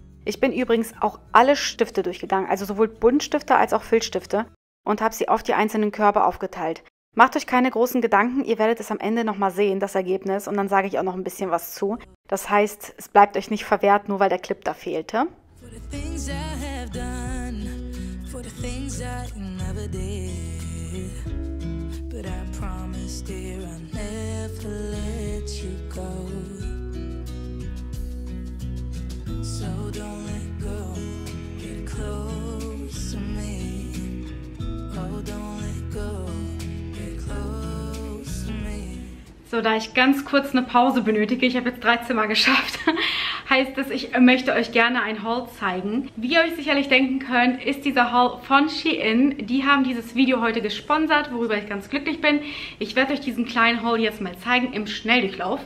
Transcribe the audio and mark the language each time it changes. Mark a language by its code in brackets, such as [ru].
[de] Ich bin übrigens auch alle Stifte durchgegangen, also sowohl Buntstifte als auch Filzstifte, und habe sie auf die einzelnen Körbe aufgeteilt. Macht euch keine großen Gedanken, ihr werdet es am Ende nochmal sehen, das Ergebnis, und dann sage ich auch noch ein bisschen was zu. Das heißt, es bleibt euch nicht verwehrt, nur weil der Clip da fehlte. [en] For the things I have done, for the things I never did. But I promise, dear, I'll never let you go. So don't let go, get close to me. Oh, don't let go, get close to me. [de] So, da ich ganz kurz eine Pause benötige, ich habe jetzt 13 Mal geschafft. Heißt es, ich möchte euch gerne ein Haul zeigen. Wie ihr euch sicherlich denken könnt, ist dieser Haul von Shein. Die haben dieses Video heute gesponsert, worüber ich ganz glücklich bin. Ich werde euch diesen kleinen Haul jetzt mal zeigen im Schnelldurchlauf.